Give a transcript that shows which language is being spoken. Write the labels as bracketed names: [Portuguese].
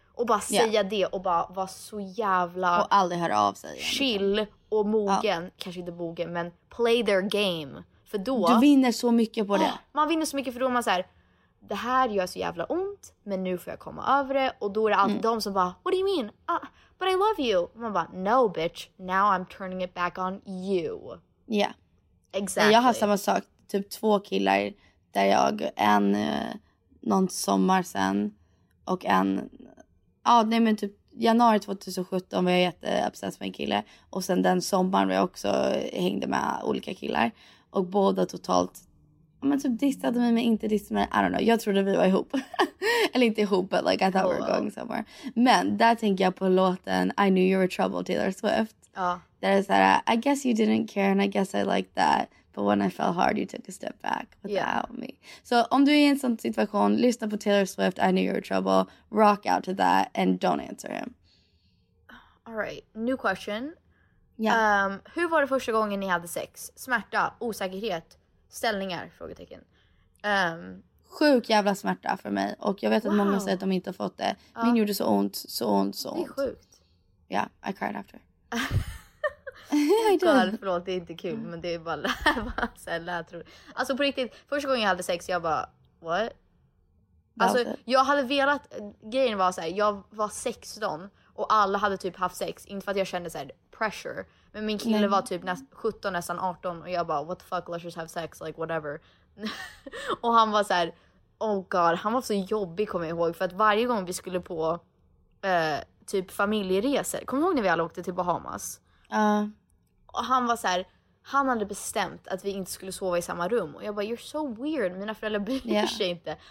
[Swedish] Och bara säga det och bara vara så jävla... Och aldrig höra av sig. Egentligen. Chill och mogen, kanske inte bogen, men play their game. För då, du vinner så mycket på det. Man vinner så mycket för då man såhär, det här gör så jävla ont, men nu får jag komma över det. Och då är det alltid de som bara, [English] what do you mean? But I love you. [Swedish] Och man bara, [English] no bitch, now I'm turning it back on you. [Swedish] Ja. [English] Yeah. Exactly. [Swedish] Jag har samma sak, typ två killar där jag, en någon sommar sen och en, ja nej men typ januari 2017 var jag jätteobsessed med en kille. Och sen den sommaren var jag också hängde med olika killar. Och båda totalt... Men typ distade mig, men inte distade mig. [English] I don't know. [Swedish] Jag trodde vi var ihop. Eller inte ihop, [English] but like I thought we were going somewhere. [Swedish] Men där tänker jag på låten I Knew You Were Trouble, Taylor Swift. Där det är såhär, [English] I guess you didn't care and I guess I like that. But when I fell hard, you took a step back without me. [Swedish] Så om du är i en sån situation, lyssna på Taylor Swift, I Knew You Were Trouble. [English] Rock out to that and don't answer him. All right, new question. Yeah. [Swedish] Hur var det första gången ni hade sex? Smärta, osäkerhet, ställningar, frågetecken. Sjuk jävla smärta för mig. Och jag vet att många säger att de inte har fått det. Min gjorde så ont, så ont, så ont. Det är sjukt. Ja, [English] yeah, I cried after. [Swedish] God, förlåt, det är inte kul. Men det är bara så här, alltså på riktigt, första gången jag hade sex, jag bara, what? Alltså, jag hade velat, grejen var så här, jag var 16 och alla hade typ haft sex. Inte för att jag kände så här pressure. Men min kille var typ 17, nästan 18. Och jag bara, [English] what the fuck, let's just have sex, like whatever. [Swedish] Och han var så här, oh god, han var så jobbig, kommer jag ihåg. För att varje gång vi skulle på typ familjeresor. Kommer du ihåg när vi alla åkte till Bahamas? Och han var så här, han hade bestämt att vi inte skulle sova i samma rum. Och jag bara, [English] you're so weird, [Swedish] mina föräldrar bryr sig inte.